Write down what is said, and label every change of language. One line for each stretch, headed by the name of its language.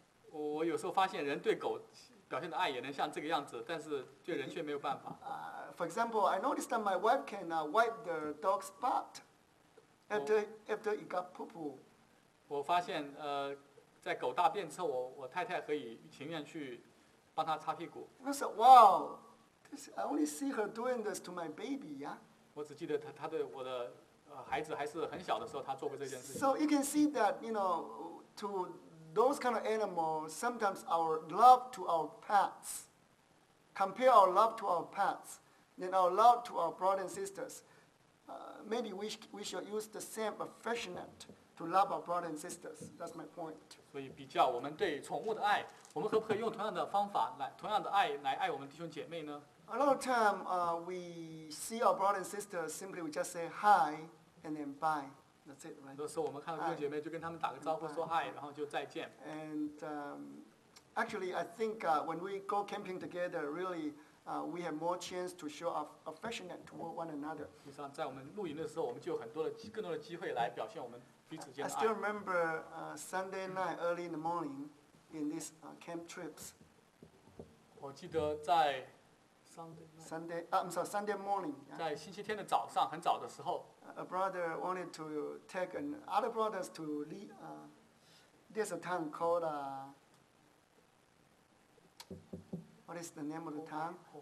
Chinese: 我有时候发现人对狗表现的爱也能像这个样子，但是对人却没有办法。
English: For example, I noticed that my wife can wipe the dog's butt after it got poo-poo.
Chinese: 我发现在狗大便之后，我太太可以情愿去帮他擦屁股。
English: I said, wow, I only see her doing this to my baby, yeah?
Chinese: 我只记得他对我的孩子还是很小的时候，他做过这件事情。
English: So you can see that, you know, to those kind of animals, sometimes our love to our pets, compare our love to our pets, then our love to our brothers and sisters, maybe we should use the same affectionate to love our brothers and sisters. That's my point.
Chinese: 所以比较我们对宠物的爱，我们可不可以用同样的方法来同样的爱来爱我们弟兄姐妹呢？
English: A lot of time, we see our brothers and sisters simply we just say hi and then bye. That's it, right?
Chinese: 很多时候我们看到弟兄姐妹就跟他们打个招呼说 hi， 然后就再见。
English: And actually, I think when we go camping together, really, we have more chance to show affectionate toward one another.
Chinese: 实际上在我们露营的时候，我们就有很多的更多的机会来表现我们。
English: I still remember Sunday night early in the morning in this camp trips.
Chinese: 我记得在 Sunday
English: night. I'm sorry, Sunday morning.
Chinese: 在星期天的早上很早的时候。
English: A brother wanted to take an other brothers to lead. There's a town called what is the name of the town?